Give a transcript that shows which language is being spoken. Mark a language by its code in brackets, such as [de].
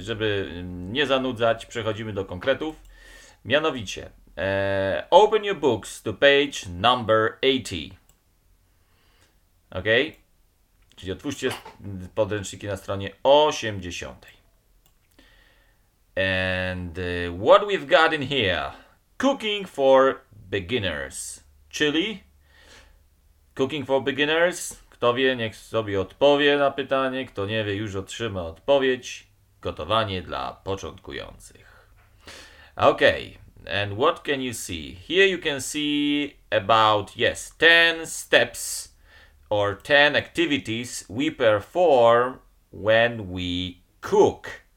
[pl] Żeby nie zanudzać, przechodzimy do konkretów. Mianowicie, [en] open your books to page number 80. [pl] Okej? Okay. Czyli otwórzcie podręczniki na stronie 80. [en] And what we've got in here? Cooking for beginners. [pl] Czyli? [en] Cooking for beginners. [pl] Kto wie, niech sobie odpowie na pytanie. Kto nie wie, już otrzyma odpowiedź. Gotowanie dla początkujących. [en] Ok. And what can you see? Here you can see about, yes, 10 steps. Or 10 activities we perform when we cook.